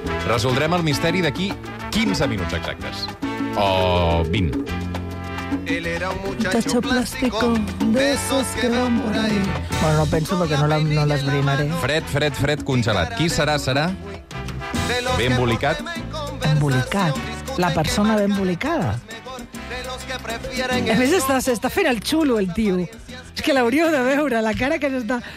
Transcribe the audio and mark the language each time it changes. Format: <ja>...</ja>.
<ca>Resoldrem el misteri d'aquí 15 minuts exactes. O 20.</ca> <es>Él era un muchacho plástico, de esos que van por ahí.</es> <ca>Bueno, no penso perquè no l'esbrinaré. Fred, fred, fred, congelat. Qui serà, serà? Ben embolicat. Embolicat. La persona ben embolicada. A més, s'està fent el xulo, el tio. És que l'hauríeu de veure, la cara que s'està...</ca>